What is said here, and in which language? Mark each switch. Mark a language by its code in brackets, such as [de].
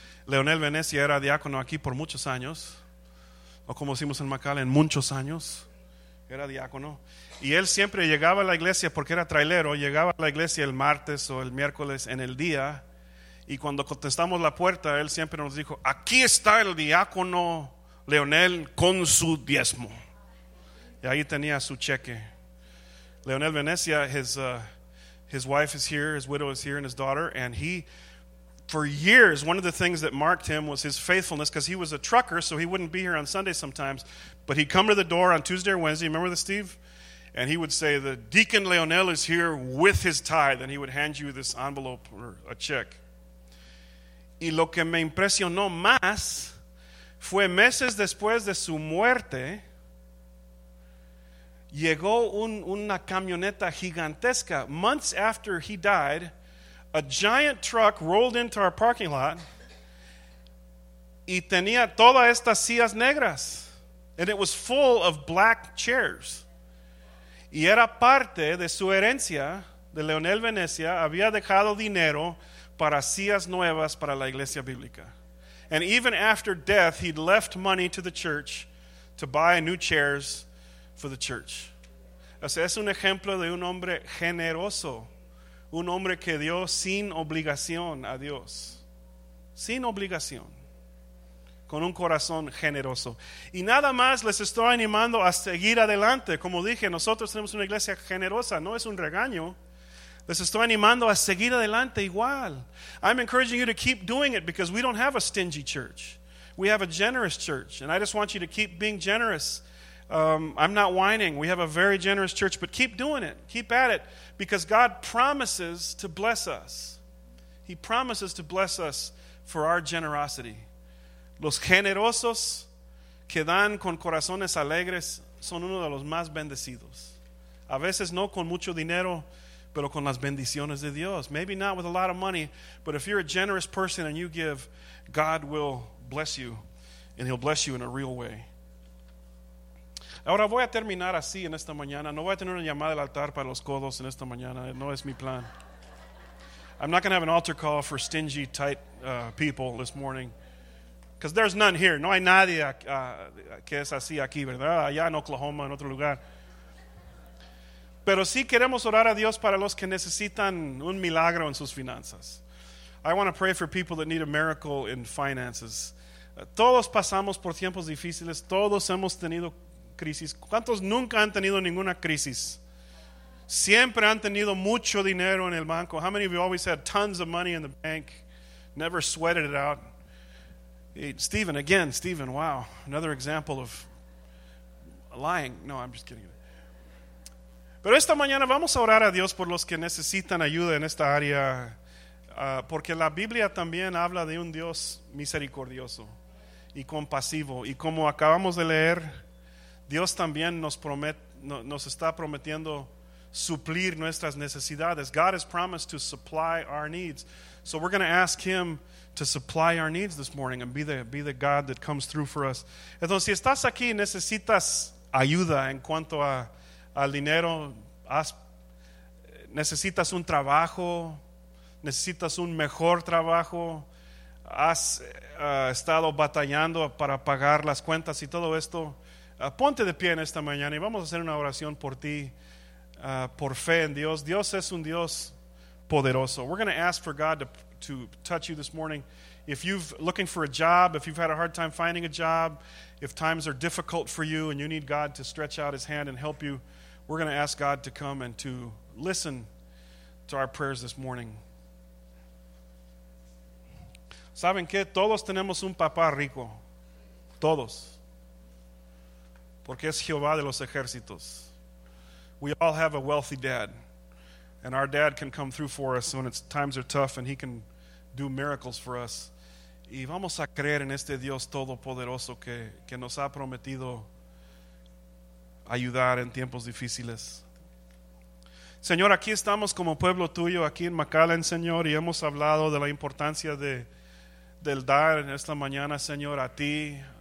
[es] Leonel Venecia era diácono aquí por muchos años. O como decimos en Macal, en muchos años era diácono, y él siempre llegaba a la iglesia porque era trailero. Llegaba a la iglesia el martes o el miércoles en el día, y cuando contestamos la puerta, él siempre nos dijo: aquí está el diácono Leonel con su diezmo. Y ahí tenía su cheque. [en] Leonel Venecia, his wife is here, his widow is here, and his daughter, and he, for years, one of the things that marked him was his faithfulness, because he was a trucker, so he wouldn't be here on Sunday sometimes, but he'd come to the door on Tuesday or Wednesday, remember this, Steve? And he would say, the Deacon Leonel is here with his tithe, and he would hand you this envelope or a check. [es] Y lo que me impresionó más fue meses después de su muerte, llegó una camioneta gigantesca. [en] Months after he died, a giant truck rolled into our parking lot, [es] y tenía todas estas sillas negras, [en] and it was full of black chairs. [es] Y era parte de su herencia de Leonel Venecia. Había dejado dinero para sillas nuevas para la iglesia bíblica. [en] And even after death, he'd left money to the church to buy new chairs for the church. [es] O sea, es un ejemplo de un hombre generoso. Un hombre que dio sin obligación a Dios. Sin obligación. Con un corazón generoso. Y nada más les estoy animando a seguir adelante. Como dije, nosotros tenemos una iglesia generosa. No es un regaño. Les estoy animando a seguir adelante igual. [en] I'm encouraging you to keep doing it, because we don't have a stingy church. We have a generous church. And I just want you to keep being generous. I'm not whining. We have a very generous church, but keep doing it. Keep at it, because God promises to bless us. He promises to bless us for our generosity. [es] Los generosos que dan con corazones alegres son uno de los más bendecidos. A veces no con mucho dinero, pero con las bendiciones de Dios. [en] Maybe not with a lot of money, but if you're a generous person and you give, God will bless you, and He'll bless you in a real way. [es] Ahora voy a terminar así en esta mañana. No voy a tener una llamada del altar para los codos en esta mañana. No es mi plan. [en] I'm not going to have an altar call for stingy, tight people this morning. Because there's none here. [es] No hay nadie que es así aquí, ¿verdad? Allá en Oklahoma, en otro lugar. Pero sí queremos orar a Dios para los que necesitan un milagro en sus finanzas. [en] I want to pray for people that need a miracle in finances. [es] Todos pasamos por tiempos difíciles. Todos hemos tenido crisis. ¿Cuántos nunca han tenido ninguna crisis? Siempre han tenido mucho dinero en el banco. [en] How many of you always had tons of money in the bank? Never sweated it out. Hey, Stephen, again, Stephen, wow. Another example of lying. No, I'm just kidding. [es] Pero esta mañana vamos a orar a Dios por los que necesitan ayuda en esta área. Porque la Biblia también habla de un Dios misericordioso y compasivo. Y como acabamos de leer, Dios también nos está prometiendo suplir nuestras necesidades. [en] God has promised to supply our needs. So we're going to ask him to supply our needs this morning and be the God that comes through for us. [es] Entonces, si estás aquí y necesitas ayuda en cuanto al dinero, necesitas un trabajo, necesitas un mejor trabajo, has estado batallando para pagar las cuentas y todo esto, ponte de pie en esta mañana y vamos a hacer una oración por ti, por fe en Dios. Dios es un Dios poderoso. [en] We're going to ask for God to touch you this morning. If you're looking for a job, if you've had a hard time finding a job, if times are difficult for you and you need God to stretch out his hand and help you, we're going to ask God to come and to listen to our prayers this morning. [es] ¿Saben qué? Todos tenemos un papá rico. Todos. Porque es Jehová de los ejércitos. [en] We all have a wealthy dad. And our dad can come through for us when times are tough, and he can do miracles for us. [es] Y vamos a creer en este Dios todopoderoso que nos ha prometido ayudar en tiempos difíciles. Señor, aquí estamos como pueblo tuyo, aquí en McAllen, Señor, y hemos hablado de la importancia del dar en esta mañana, Señor, a ti.